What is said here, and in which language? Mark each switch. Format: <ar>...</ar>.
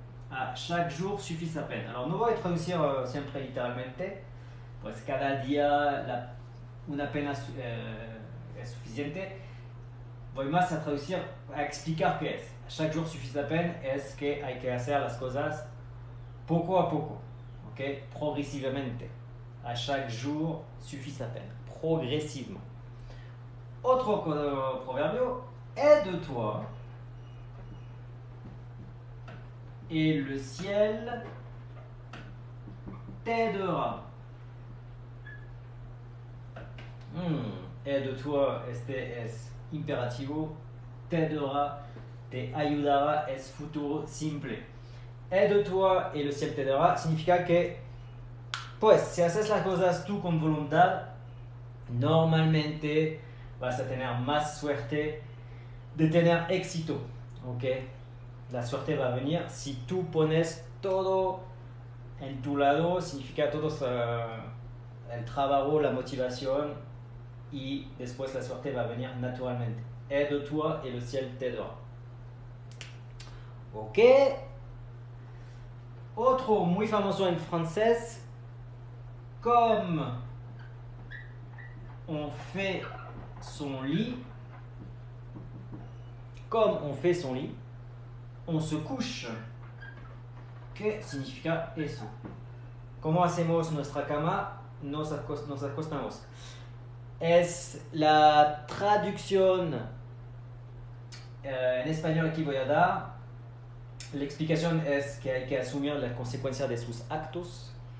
<fr>À chaque jour suffit sa peine. Alors, nous allons traduire simplement littéralement.</fr> <es>Pues cada día la, una pena es suficiente. Voy más a traducir, a explicar qué es.</es> <fr>À chaque jour suffit sa peine.</fr> <es>Es que hay que hacer las cosas poco a poco.</es> <fr>Okay, progressivement. À chaque jour suffit sa peine. Progressivement. Autre proverbio, aide-toi et le ciel t'aidera. Aide-toi,</fr> <es>este es imperativo.</es> <fr>T'aidera,</fr> <es>te ayudará, es futuro simple.</es> <fr>Aide-toi et le ciel t'aidera</fr> <es>significa que pues, si haces las cosas tú con voluntad, normalmente vas a tener más suerte de tener éxito, ¿ok? La suerte va a venir si tú pones todo en tu lado, significa todo el trabajo, la motivación y después la suerte va a venir naturalmente.</es> <fr>Aide-toi et le ciel t'aidera. ¿Ok?</fr> <es>Otro muy famoso en francés.</es> <fr>Comme on fait son lit, comme on fait son lit, on se couche.</fr> <es>Que significa eso? ¿Cómo hacemos nuestra cama? Nos acostamos. Es la traducción en español que voy a dar.</es> <fr>L'explication est qu'il faut assumer la conséquence de ses actes.</fr>